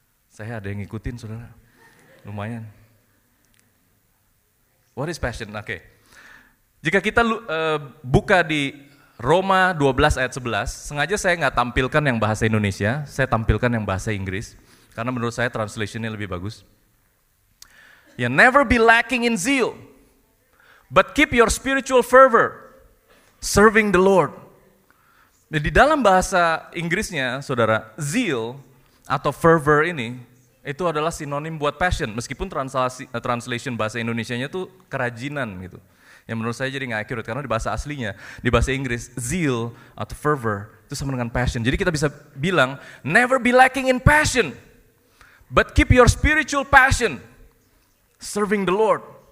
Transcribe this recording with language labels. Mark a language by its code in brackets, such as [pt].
[id] Saya ada yang ngikutin, saudara. Lumayan. [en] What is passion? Oke. Okay. [id] Jika kita buka di Roma 12 ayat 11, sengaja saya gak tampilkan yang bahasa Indonesia, saya tampilkan yang bahasa Inggris, karena menurut saya translation-nya lebih bagus. [en] Yeah, never be lacking in zeal, but keep your spiritual fervor, serving the Lord. [id] Nah, di dalam bahasa Inggrisnya, saudara, zeal atau fervor ini, itu adalah sinonim buat passion, meskipun translation bahasa Indonesianya itu kerajinan gitu. Yang menurut saya jadi gak accurate, karena di bahasa aslinya, di bahasa Inggris, zeal atau fervor itu sama dengan passion. Jadi kita bisa bilang, [en] never be lacking in passion, but keep your spiritual passion, serving the Lord.